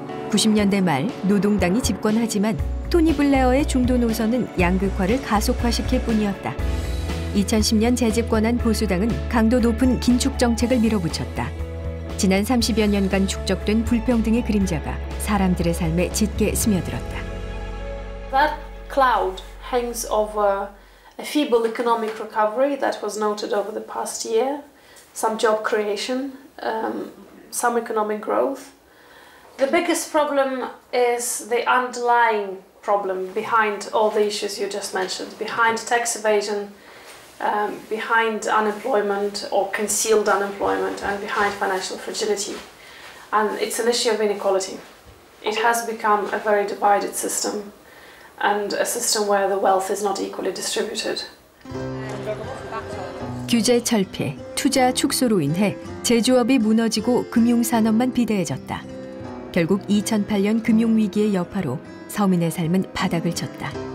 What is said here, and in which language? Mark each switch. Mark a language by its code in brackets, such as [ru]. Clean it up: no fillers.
[ko] 90년대 말 노동당이 집권하지만 토니 블레어의 중도 노선은 양극화를 가속화시킬 뿐이었다. 2010년 재집권한 보수당은 강도 높은 긴축 정책을 밀어붙였다. 지난 30여 년간 축적된 불평등의 그림자가 사람들의 삶에 짙게 스며들었다. [en] That cloud hangs over a feeble economic recovery that was noted over the past year. Some job creation, some economic growth. The biggest problem is the underlying problem behind all the issues you just mentioned, behind tax evasion, behind unemployment or concealed unemployment, and behind financial fragility. And it's an issue of inequality. It has become a very divided system and a system where the wealth is not equally distributed. [ko] 규제 철폐, 투자 축소로 인해 제조업이 무너지고 금융산업만 비대해졌다. 결국 2008년 금융위기의 여파로 서민의 삶은 바닥을 쳤다.